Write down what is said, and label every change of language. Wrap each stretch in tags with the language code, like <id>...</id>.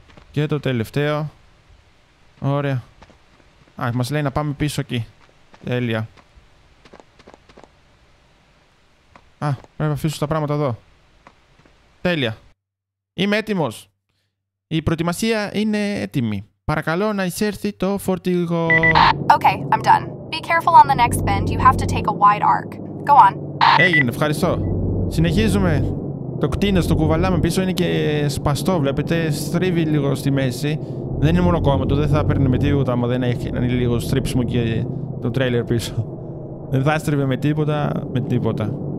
<el>Και το τελευταίο. Ωραία. Α, μας λέει να πάμε πίσω εκεί. Τέλεια. Α, πρέπει να αφήσω τα πράγματα εδώ. Τέλεια. Είμαι έτοιμος. Η προετοιμασία είναι έτοιμη. Παρακαλώ να εισέρθει το φορτηγό.</el> <en>Okay, I'm done. Be careful on the next bend. You have to take a wide arc. Go on.</en> <el>Έγινε, ευχαριστώ. Συνεχίζουμε. Το κτίνος το κουβαλάμε πίσω είναι και σπαστό, βλέπετε. Στρίβει λίγο στη μέση. Δεν είναι μόνο κόμματο, δεν θα παίρνει με τίποτα άμα δεν έχει να είναι λίγο στρίψιμο και το τρέιλερ πίσω. Δεν θα στρίβει με τίποτα, με τίποτα.</el>